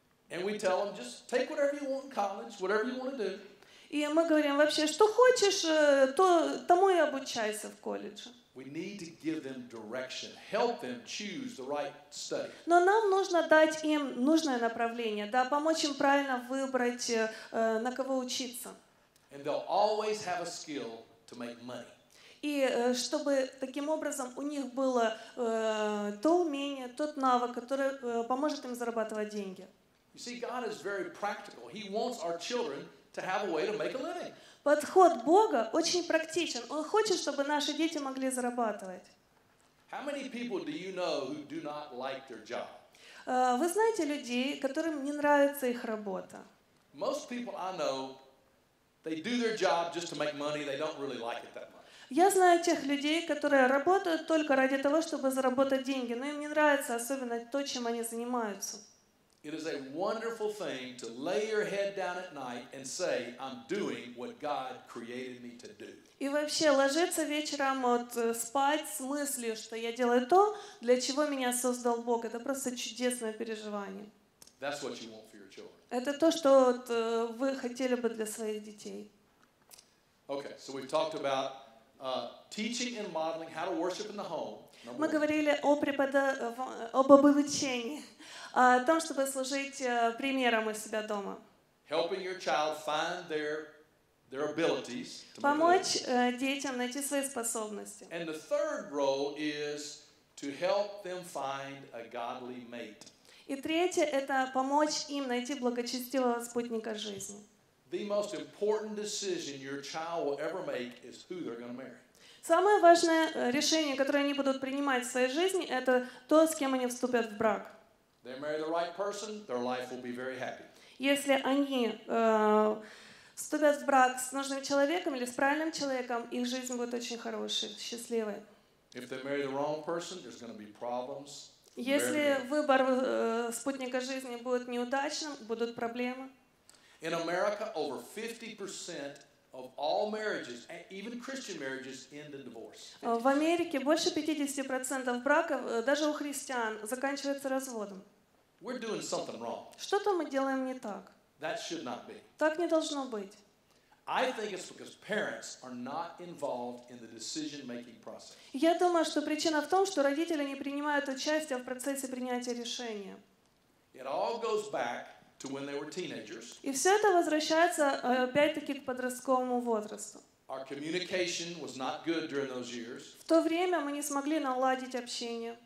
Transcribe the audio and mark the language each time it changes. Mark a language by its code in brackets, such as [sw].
[en] And we tell them, just take whatever you want in college, whatever you want to do. [ru] И мы говорим вообще, что хочешь, то тому и обучайся в колледже. [en] We need to give them direction, help them choose the right study. [ru] Но нам нужно дать им нужное направление, да, помочь им правильно выбрать, на кого учиться. [en] And they'll always have a skill to make money. [ru] И чтобы таким образом у них было то умение, тот навык, который поможет им зарабатывать деньги. [en] You see, God is very practical. He wants our children to have a way to make a living. [ru] Подход Бога очень практичен. Он хочет, чтобы наши дети могли зарабатывать. [en] How many people do you know who do not like their job? [ru] Вы знаете людей, которым не нравится их работа? [en] Most people I know, they do their job just to make money. They don't really like it that much. [ru] Я знаю тех людей, которые работают только ради того, чтобы заработать деньги, но им не нравится особенно то, чем они занимаются. [en] It is a wonderful thing to lay your head down at night and say, I'm doing what God created me to do. [ru] И вообще ложиться вечером вот спать с мыслью, что я делаю то, для чего меня создал Бог. Это просто чудесное переживание. [en] That's what you want for your children. [ru] Это то, что вот вы хотели бы для своих детей. [en] Okay, so we've talked about teaching and modeling how to worship in the home. [ru] Мы говорили о обучении, о том, чтобы служить примером у себя дома. [en] Helping your child find their abilities. [ru] Помочь детям найти свои способности. [en] And the third role is to help them find a godly mate. [ru] И третье — это помочь им найти благочестивого спутника жизни. [en] The most important decision your child will ever make is who they're going to marry. [ru] Самое важное решение, которое они будут принимать в своей жизни, это то, с кем они вступят в брак. [en] They marry the right person, their life will be very happy. [ru] Если они вступят в брак с нужным человеком или с правильным человеком, их жизнь будет очень хорошей, счастливой. [en] If they marry the wrong person, there's going to be problems. [ru] Если выбор спутника жизни будет неудачным, будут проблемы. [en] In America, over 50% of all marriages, even Christian marriages, end in divorce. [ru] В Америке больше 50% браков, даже у христиан, заканчивается разводом. [en] We're doing something wrong. [ru] Что-то мы делаем не так. [en] That should not be. [ru] Так не должно быть. [en] I think it's because parents are not involved in the decision-making process. [ru] Я думаю, что причина в том, что родители не принимают участие в процессе принятия решения. [en] It all goes back to when they were teenagers. [ru] И все это возвращается опять-таки к подростковому возрасту. [en] Our communication was not good during those years. [ru] В то время мы не смогли наладить общение.